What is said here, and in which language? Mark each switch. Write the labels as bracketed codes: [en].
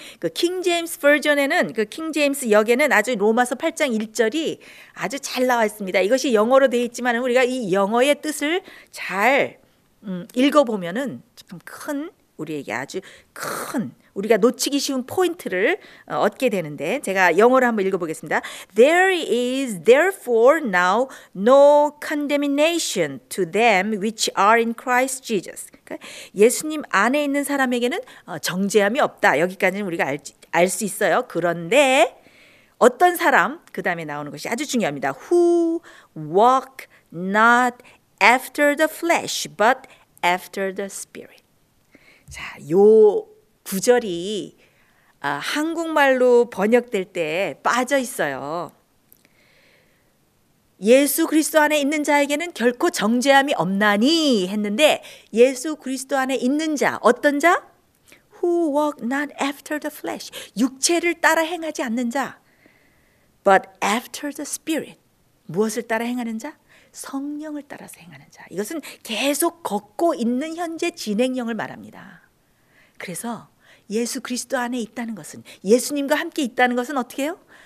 [ko] 그 킹 제임스 버전에는 그 킹 제임스 역에는 아주 로마서 8장 1절이 아주 잘 나와 있습니다. 이것이 영어로 되어 있지만 우리가 이 영어의 뜻을 잘 읽어보면은 좀 큰 우리에게 아주 큰 우리가 놓치기 쉬운 포인트를 얻게 되는데 제가 영어로 한번 읽어보겠습니다. [en] There is therefore now no condemnation to them which are in Christ Jesus. [ko] 예수님 안에 있는 사람에게는 정죄함이 없다. 여기까지는 우리가 알 수 있어요. 그런데 어떤 사람 그 다음에 나오는 것이 아주 중요합니다. [en] Who walk not after the flesh but after the spirit. [ko] 자, 요 구절이 아, 한국말로 번역될 때 빠져 있어요. 예수 그리스도 안에 있는 자에게는 결코 정죄함이 없나니 했는데 예수 그리스도 안에 있는 자, 어떤 자? [en] Who walk not after the flesh, [ko] 육체를 따라 행하지 않는 자. [en] But after the spirit, [ko] 무엇을 따라 행하는 자? 성령을 따라서 행하는 자. 이것은 계속 걷고 있는 현재 진행형을 말합니다. 그래서 예수 그리스도 안에 있다는 것은, 예수님과 함께 있다는 것은 어떻게 해요?